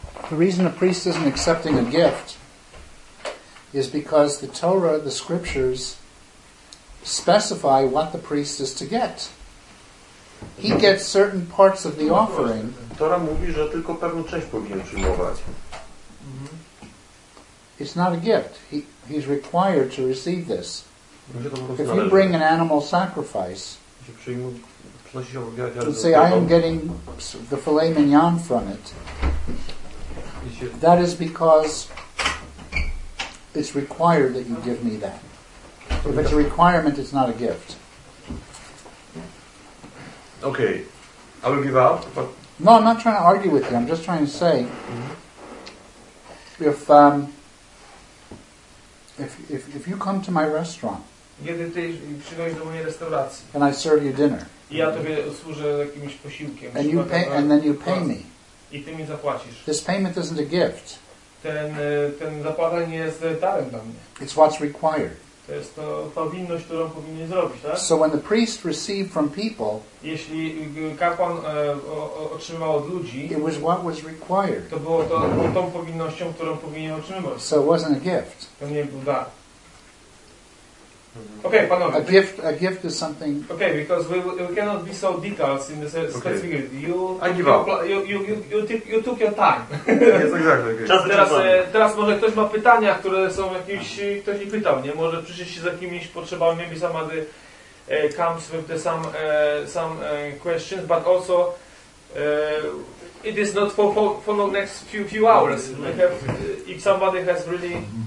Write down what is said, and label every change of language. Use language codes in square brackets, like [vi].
[en] The reason a priest isn't accepting a gift is because the Torah, the scriptures, specify what the priest is to get. He gets certain parts of the offering. [pl] Tora mówi, że tylko pewną część powinien przyjmować. [en] It's not a gift. He's required to receive this. If you bring an animal sacrifice, let's say I am getting the filet mignon from it, that is because it's required that you give me that. If it's a requirement, it's not a gift. Okay. I will give up. But... No, I'm not trying to argue with you. I'm just trying to say if you come to my restaurant and I serve you dinner and you pay, and then you pay me, [pl] I ty mi zapłacisz. [en] This payment isn't a gift. [pl] Ten zapłacenie jest darem dla mnie. [en] It's what's required. [pl] To jest to powinność, którą powinien zrobić, tak? [en] So when the priest received from people, [pl] jeśli kapłan otrzymywał od ludzi, [en] it was what was required. [pl] To było to tą powinnością, którą powinien otrzymywać. [en] So it wasn't a gift. [pl] To nie był dar. Okay, panowie. [en] A gift is something. Okay, because we cannot be so detailed in the specific. Okay. You, I give up. You took your time. Yes, exactly. [pl] Teraz może ktoś ma pytania, które są jakieś. Ktoś nie pytał, nie? Może przyjść się z jakimiś potrzebami, [en] maybe somebody comes with the some questions, but also it is not for the next few hours. If somebody has really.